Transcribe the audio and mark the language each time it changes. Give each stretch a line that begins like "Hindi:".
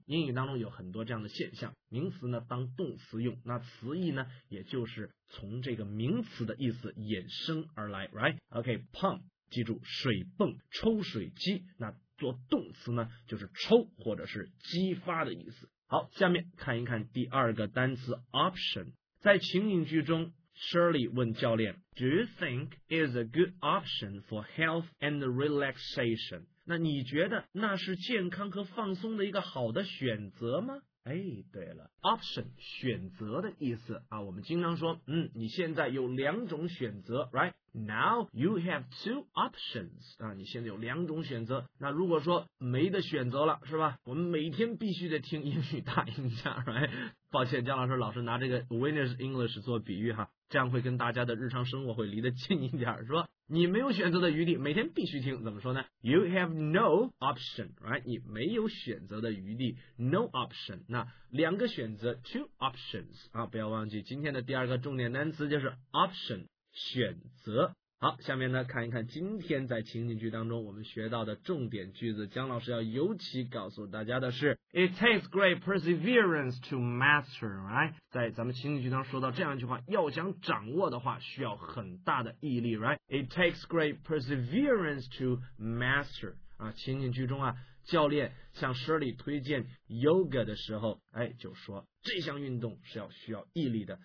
Chinese: 英语当中有很多这样的现象，名词呢当动词用，那词义呢，也就是从这个名词的意思衍生而来 ，right？OK，、okay, pump， 记住水泵、抽水机。那做动词呢，就是抽或者是激发的意思。好，下面看一看第二个单词 option。在情景剧中 ，Shirley 问教练 ，
English: Do you think is a good option for health and relaxation？
Chinese: 那你觉得那是健康和放松的一个好的选择吗？哎，对了 ，option 选择的意思啊，我们经常说，你现在有两种选择 ，right？
English: Now you have two options 啊，
Chinese: 你现在有两种选择。那如果说没得选择了，是吧？我们每天必须得听英语大赢家 ，right？抱歉，姜老师，老师拿这个 Winners English 做比喻哈，这样会跟大家的日常生活会离得近一点，是吧？你没有选择的余地，每天必须听，怎么说呢 ？
English: You have no option，
Chinese: right？你没有选择的余地 ，no option。那两个选择 ，two options 啊，不要忘记今天的第二个重点单词就是 option， 选择。好，下面呢看一看今天在情景剧当中我们学到的重点句子。姜老师要尤其告诉大家的是 ，
English: It takes great perseverance to master，
Chinese: right？在咱们情景剧当中说到这样一句话，要想掌握的话，需要很大的毅力 ，right？
English: It takes great perseverance to master。
Chinese: 啊，情景剧中啊，教练向 Shirley 推荐 yoga 的时候，哎，就说这项运动是要需要毅力的。